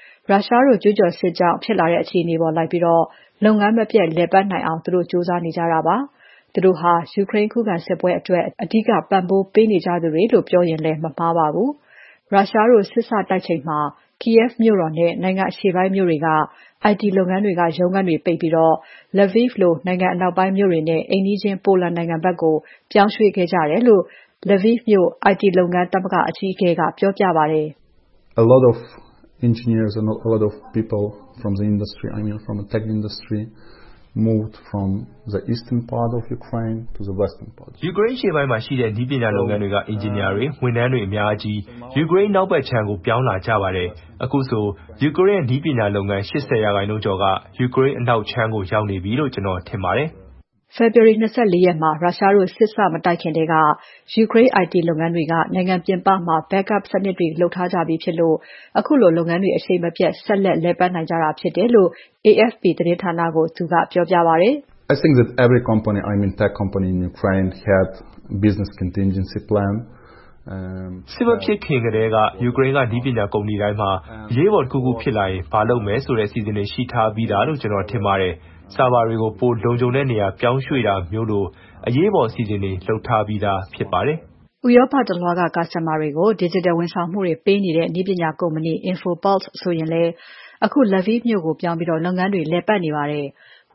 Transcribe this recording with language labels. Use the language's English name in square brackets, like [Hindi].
[Burmese] ရုရှားတို့ကျူးကျော်စစ်ကြောင့်ဖြစ်လာတဲ့အခြေအနေပေါ်လိုက်ပြီးတော့လုပ်ငန်းမပြတ်လည်ပတ်နိုင်အောင်သူတို့ကြိုးစားနေကြတာပါသူတို့ဟာယူကရိန်းခုခံစစ်ပွဲအတွက်အဓိကပံ့ပိုးပေးနေကြသူတွေလို့ပြောရင်လည်းမမှားပါဘူး။ရုရှားတို့စစ်ဆတိုက်ချိန်မှာ KF မြို့တော်နဲ့နိုင်ငံအရှေ့ပိုင်းမြို့တွေက IT လုပ်ငန်းတွေကရုံးခန်းတွေပိတ်ပြီးတော့ Lviv လို့နိုင်ငံအနောက်ပိုင်းမြို့တွေနဲ့အိမ်နီးချင်းပိုလန်နိုင်ငံဘက်ကိုပြောင်းရွှေ့ခဲ့ကြတယ်လို့ Lviv မြို့ IT လုပ်ငန်းတပ်ကအကြီးအကဲကပြောပြပါတယ် [English] ။ A lot of engineers and a lot of people from the industry, I mean from the tech industry. moved from the eastern part of Ukraine to the western part. [Burmese] Ukraine ရှေ့ပိုင်းမှာရှိတဲ့ဒီပညာလုပ်ငန်းတွေက engineer တွေ၊ဝန်ထမ်းတွေအများကြီး Ukraine နောက်ပတ်ခြံကိုပြောင်းလာကြပါတယ်။အခုဆို Ukraine ဒီပညာလုပ်ငန်း80ရာခိုင်နှုန်းကျော်က Ukraine အနောက်ခြံကိုရောက်နေပြီလို့ကျွန်တော်ထင်ပါတယ် ။ February 24ရက်မှာ Russia တို့စစ်ဆမတိုက်ခင်တည်းက Ukraine IT လုပ်ငန်းတွေကနိုင်ငံပြင်ပမှာ backup စနစ်တွေလုပ်ထားကြပြီဖြစ်လို့အခုလိုလုပ်ငန်းတွေအချိန်မပြတ်ဆက်လက်လည်ပတ်နိုင်ကြတာဖြစ်တယ်လို့AFP သတင်းဌာနကိုသူကပြောပြပါတယ် [English] ။ I think that every company, I mean tech company in Ukraine had business contingency plan. [Burmese] စစ်ဘဖြစ်ခင်ကတည်းကယူကရိန်းကဒီပညာကုမ္ပဏီတိုင်းမှာအရေးပေါ်တစ်ခုခုဖြစ်လာရင်မလုပ်မယ်ဆိုတဲ့အစီအစဉ်တွေရှိထားပြီးတာလို့ကျွန်တော်ထင်ပါတယ်။ server တွေကိုပိုလုံခြုံတဲ့နေရာပြောင်းရွှေ့တာမျိုးလိုအရေးပေါ်အစီအစဉ်တွေလုပ်ထားပြီးတာဖြစ်ပါတယ်။ ဥရောပတလွားက customer တွေကို digital ဝန်ဆောင်မှုတွေပေးနေတဲ့နည်းပညာကုမ္ပဏီ InfoPulse ဆိုရင်လေအခု Lviv မြို့ကိုပြောင်းပြီးတော့လုပ်ငန်းတွေလည်ပတ်နေပါတယ်။